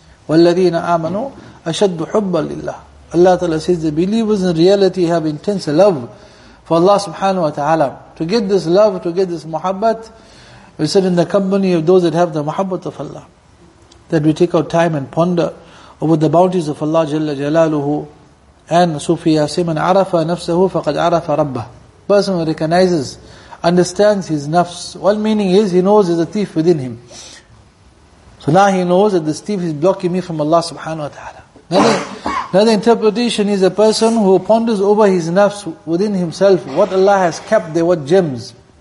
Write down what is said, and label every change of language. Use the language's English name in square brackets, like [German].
[Arabic] وَالَّذِينَ آمَنُوا أَشَدُّ حُبَّ لِلَّهِ. [English] Allah ta'ala says the believers in reality have intense love for Allah subhanahu wa ta'ala. To get this love, to get this muhabbat, we said in the company of those that have the muhabbat of Allah, that we take our time and ponder over the bounties of Allah jalla jalaluhu. And Sufi Yasim, [Arabic] من عرف نفسه فقد عرف ربه. [English] Person who recognizes, understands his nafs. Well, meaning is, he knows there's a thief within him. So now he knows that this thief is blocking me from Allah subhanahu wa ta'ala. Another interpretation is a person who ponders over his nafs within himself, what Allah has kept there, what gems.